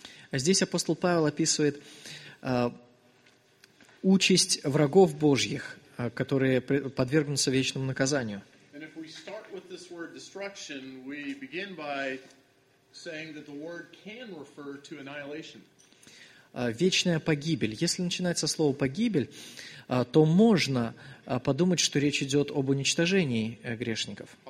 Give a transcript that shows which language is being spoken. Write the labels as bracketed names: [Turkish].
[Russian] А здесь апостол Павел описывает участь врагов Божьих, которые подвергнутся вечному наказанию. [English] And if we start with this word destruction, we begin by saying that the word can refer to annihilation. [Russian] Вечная погибель. Если начинать со слова «погибель», то можно подумать, что речь идет об уничтожении грешников.